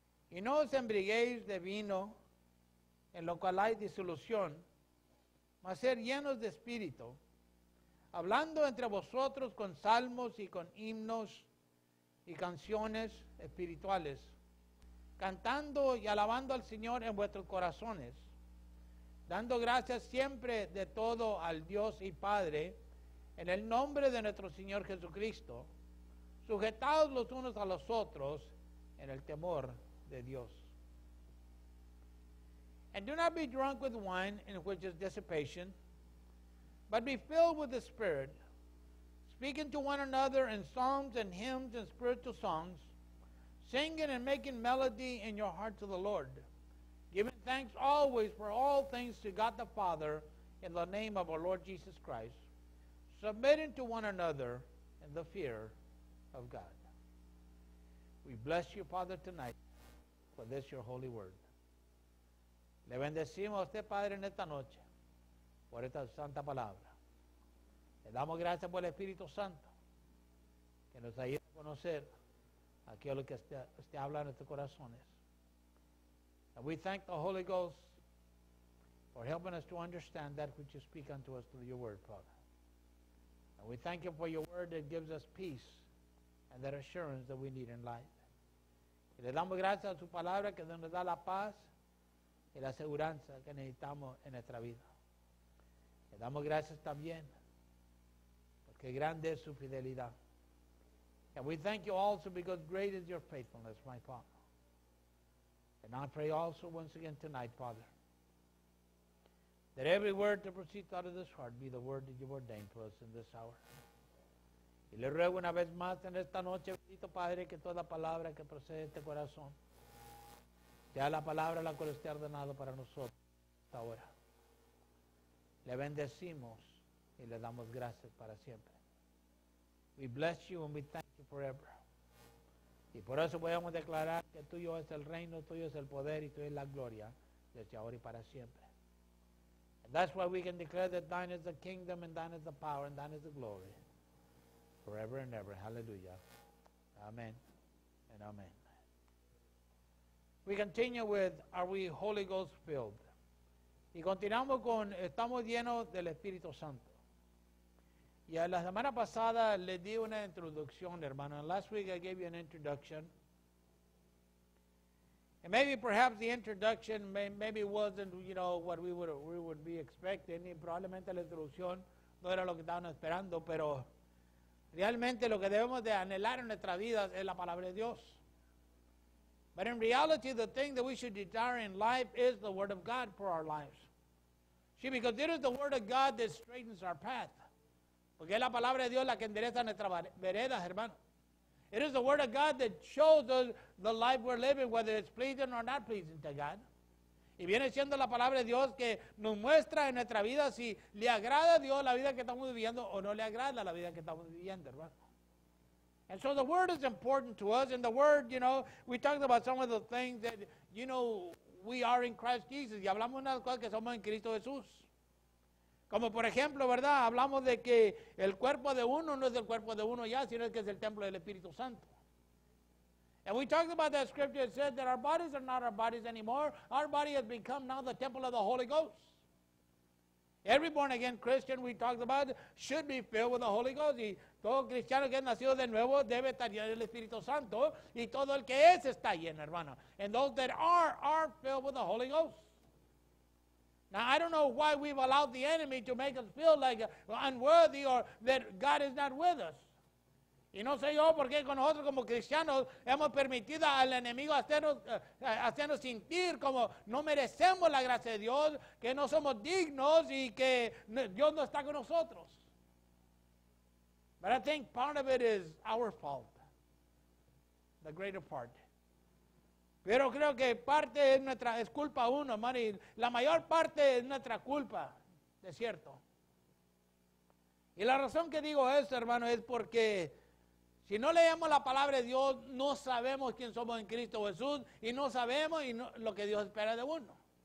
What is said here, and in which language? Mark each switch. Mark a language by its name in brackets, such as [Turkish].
[Spanish] Y no os embriaguéis de vino, en lo cual hay disolución, mas ser llenos de espíritu, hablando entre vosotros con salmos y con himnos y canciones espirituales, cantando y alabando al Señor en vuestros corazones, dando gracias siempre de todo al Dios y Padre, en el nombre de nuestro Señor Jesucristo, sujetados los unos a los otros en el temor de Dios. [English] And do not be drunk with wine, in which is dissipation, but be filled with the Spirit, speaking to one another in psalms and hymns and spiritual songs, singing and making melody in your heart to the Lord, giving thanks always for all things to God the Father in the name of our Lord Jesus Christ, submitting to one another in the fear of God. We bless you, Father, tonight for this, your holy word. [Spanish] Le bendecimos a usted, Padre, en esta noche por esta santa palabra. Le damos gracias por el Espíritu Santo que nos ayuda a conocer aquello que usted habla en nuestros corazones. [English] And we thank the Holy Ghost for helping us to understand that which you speak unto us through your word, Father. And we thank you for your word that gives us peace and that assurance that we need in life. [Spanish] Y le damos gracias a su palabra que nos da la paz y la seguridad que necesitamos en nuestra vida. Le damos gracias también porque grande es su fidelidad. [English] And we thank you also because great is your faithfulness, my Father. And I pray also once again tonight, Father, that every word to proceed out of this heart be the word that you've ordained for us in this hour. [Spanish] Y le ruego una vez más en esta noche, bendito Padre, que toda palabra que procede de este corazón sea la palabra la cual esté ordenado para nosotros ahora. Le bendecimos y le damos gracias para siempre. [English] We bless you and we thank you forever. [Spanish] Y por eso podemos declarar que tuyo es el reino, tuyo es el poder y tuyo es la gloria desde ahora y para siempre. [English] And that's why we can declare that thine is the kingdom and thine is the power and thine is the glory. Forever and ever. Hallelujah. Amen and amen. We continue with, are we Holy Ghost filled? [Spanish] Y continuamos con, estamos llenos del Espíritu Santo. Y la semana pasada le di una introducción, hermano. [English] And last week I gave you an introduction. And maybe perhaps the introduction maybe wasn't, you know, what we would be expecting. [Spanish] Y probablemente la introducción no era lo que estaban esperando. Pero realmente lo que debemos de anhelar en nuestra vida es la palabra de Dios. [English] But in reality, the thing that we should desire in life is the Word of God for our lives. See, because it is the Word of God that straightens our path. [Spanish] Porque es la palabra de Dios la que endereza nuestra vereda, hermano. [English] It is the Word of God that shows us the life we're living, whether it's pleasing or not pleasing to God. [Spanish] Y viene siendo la palabra de Dios que nos muestra en nuestra vida si le agrada a Dios la vida que estamos viviendo o no le agrada la vida que estamos viviendo, hermano. [English] And so the Word is important to us. And the Word, you know, we talked about some of the things that, you know, we are in Christ Jesus. [Spanish] Y hablamos de las cosas que somos en Cristo Jesús. Como por ejemplo, ¿verdad? Hablamos de que el cuerpo de uno no es el cuerpo de uno ya, sino que es el templo del Espíritu Santo. [English] And we talked about that scripture that said that our bodies are not our bodies anymore. Our body has become now the temple of the Holy Ghost. Every born-again Christian we talked about should be filled with the Holy Ghost. [Spanish] Y todo cristiano que es nacido de nuevo debe estar lleno del Espíritu Santo. Y todo el que es está lleno, hermano. [English] And those that are filled with the Holy Ghost. Now, I don't know why we've allowed the enemy to make us feel like unworthy or that God is not with us. [Spanish] Y no sé yo por qué con nosotros como cristianos hemos permitido al enemigo hacernos sentir como no merecemos la gracia de Dios, que no somos dignos y que Dios no está con nosotros. [English] But I think part of it is our fault, the greater part. [Spanish] Pero creo que parte es nuestra, es culpa uno, hermano, la mayor parte es nuestra culpa, de cierto. Y la razón que digo eso, hermano, es porque si no leemos la palabra de Dios, no sabemos quién somos en Cristo Jesús y no sabemos lo que Dios espera de uno.